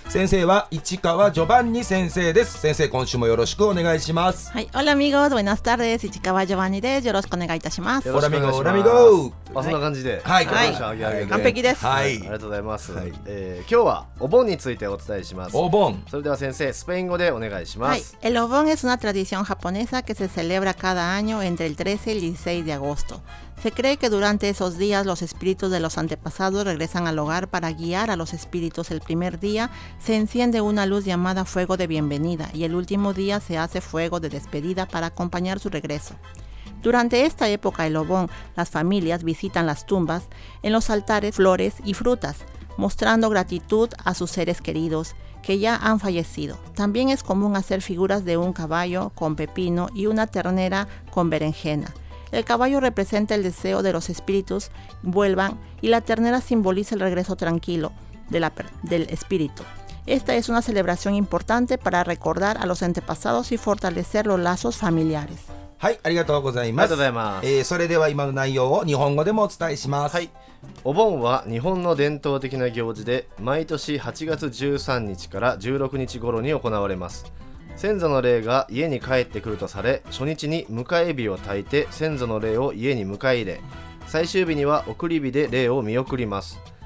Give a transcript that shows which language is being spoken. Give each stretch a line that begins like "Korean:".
Japanese: 先生は市川ジョバンニ先生です。先生、今週もよろしくお願いします。はい、
Spanish: オラミゴー、ブエナスタル
Japanese: です。市川ジョバンニです。よろしくお願いいたします。
Spanish: オラミゴー、オラミゴー、
Japanese: まあ、そんな感じで、はい、完璧です、はい、ありがとうございます、はい。今日はお盆についてお伝えします。お盆、それでは先生、スペイン語でお願いします。はい、
Spanish: el obon es una tradición japonesa que se celebra cada año entre el 13 y el 16 de agosto. Se cree que durante esos días los espíritus de los antepasados regresan al hogar para guiar a los espíritus. El primer día se enciende una luz llamada fuego de bienvenida y el último día se hace fuego de despedida para acompañar su regreso. Durante esta época el obon, las familias visitan las tumbas, en los altares flores y frutas, mostrando gratitud a sus seres queridos que ya han fallecido. También es común hacer figuras de un caballo con pepino y una ternera con berenjena. El caballo representa el deseo de los espíritus vuelvan y la ternera simboliza el regreso tranquilo del espíritu. Esta es una celebración importante para recordar a los antepasados y fortalecer los lazos familiares.
Japanese: はい、ありがとうございます。ありがとうございます、それでは今の内容を日本語でもお伝えします。はい、お盆は日本の伝統的な行事で、毎年8月13日から16日頃に行われます。先祖の霊が家に帰ってくるとされ、初日に迎え火を焚いて先祖の霊を家に迎え入れ、最終日には送り火で霊を見送ります。